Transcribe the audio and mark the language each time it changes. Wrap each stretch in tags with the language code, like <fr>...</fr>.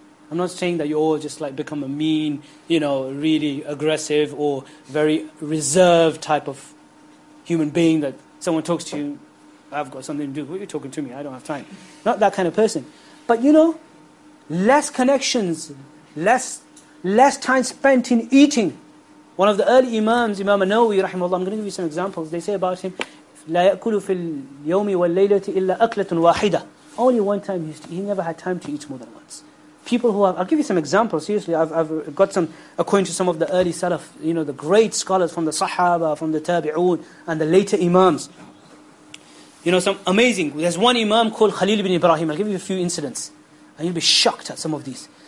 <en>I'm not saying that you all just like become a mean, you know, really aggressive or very reserved type of human being that someone talks to you, I've got something to do, what are you talking to me, I don't have time. Not that kind of person. But you know, less connections, less time spent in eating. One of the early imams, Imam An-Nawawi, rahimahullah, I'm going to give you some examples. They say about him,</en> <ar>لَا يَأْكُلُ فِي الْيَوْمِ وَالْلَيْلَةِ إِلَّا أَكْلَةٌ وَاحِدَةٌ.</ar> <en>Only one time, he never had time to eat more than once. People who have, I'll give you some examples, seriously, I've got some, according to some of the early salaf, you know, the great scholars from the sahaba, from the tabi'un, and the later imams. You know, some amazing, there's one imam called Khalil ibn Ibrahim, I'll give you a few incidents, and you'll be shocked at some of these.</en>